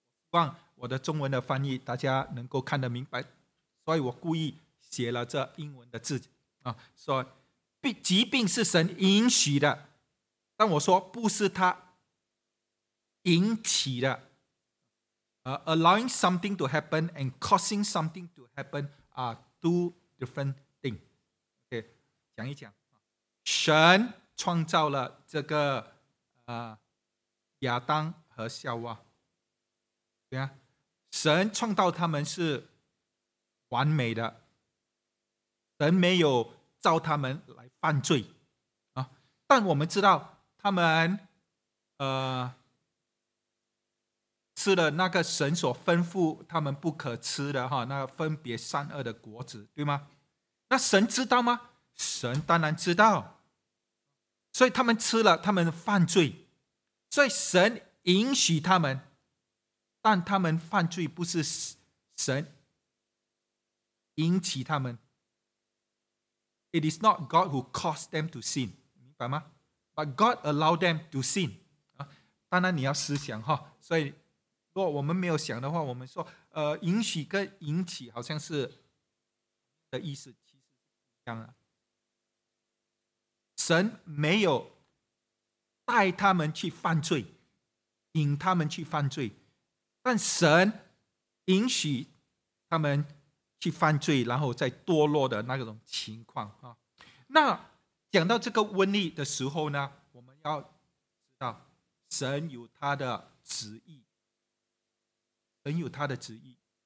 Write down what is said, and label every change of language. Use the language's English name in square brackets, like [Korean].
[Chinese] 希望我的中文的翻译大家能够看得明白，所以我故意写了这英文的字、说疾病是神允许的，但我说不是他引起的。 [English] Allowing something to happen and causing something to happen are two different things. [Chinese] Okay, 讲一讲。神创造了这个、亚当和夏娃，对啊，神创造他们是完美的，神没有造他们来犯罪、但我们知道他们吃了那个神所吩咐他们不可吃的那个、分别善恶的果子对吗？那神知道吗？神当然知道，所以他们吃了，他们犯罪，所以神允许他们，但他们犯罪不是神引起他们。 [English] It is not God who caused them to sin, [Chinese] 明白吗？ [English] But God allowed them to sin、 [Chinese] 当然你要思想、所以如果我们没有想的话，我们说、允许跟引起好像是的意思其实是一样的。神没有带他们去犯罪，引他们去犯罪，但神允许他们去犯罪，然后再堕落的那种情况、那讲到这个瘟疫的时候呢，我们要知道神有他的旨意，神有他的旨意。